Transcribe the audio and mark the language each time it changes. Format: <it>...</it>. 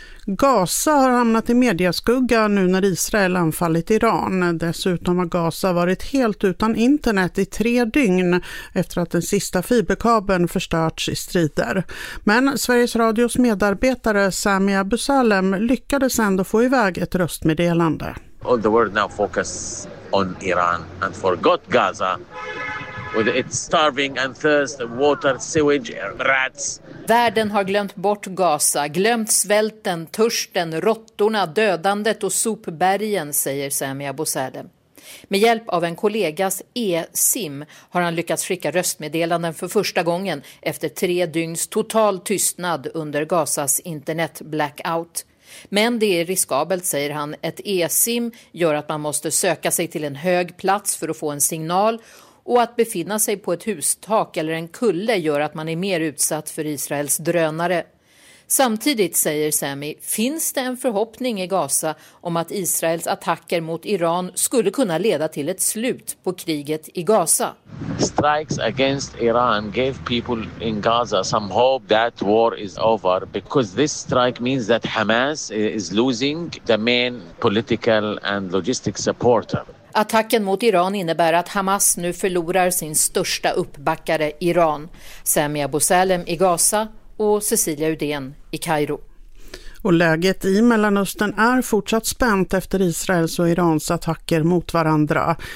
<sv>Gaza har hamnat i medieskugga nu när Israel anfallit Iran. Dessutom har Gaza varit helt utan internet i 3 dygn efter att den sista fiberkabeln förstörts i strider. Men Sveriges Radios medarbetare Sami Abu Salem lyckades ändå få iväg ett röstmeddelande.</sv> <en>All the world now focus on Iran and forgot Gaza. With its starving and thirst, water, sewage, rats.</en> <sv>Världen har glömt bort Gaza, glömt svälten, törsten, råttorna, dödandet och sopbergen, säger Sami Abu Salem. Med hjälp av en kollegas e-sim har han lyckats skicka röstmeddelanden för första gången efter 3 dygns total tystnad under Gazas internet-blackout. Men det är riskabelt, säger han. Ett e-sim gör att man måste söka sig till en hög plats för att få en signal. Och att befinna sig på ett hustak eller en kulle gör att man är mer utsatt för Israels drönare. Samtidigt, säger Sami, finns det en förhoppning i Gaza om att Israels attacker mot Iran skulle kunna leda till ett slut på kriget i Gaza.</sv> <en>Strikes against Iran gave people in Gaza some hope that war is over because this strike means that Hamas is losing the main political and logistic supporter.</en> <sv>Attacken mot Iran innebär att Hamas nu förlorar sin största uppbackare, Iran. Sami Abu Salem i Gaza och Cecilia Uden i Kairo. Och läget i Mellanöstern är fortsatt spänt efter Israels och Irans attacker mot varandra.</sv>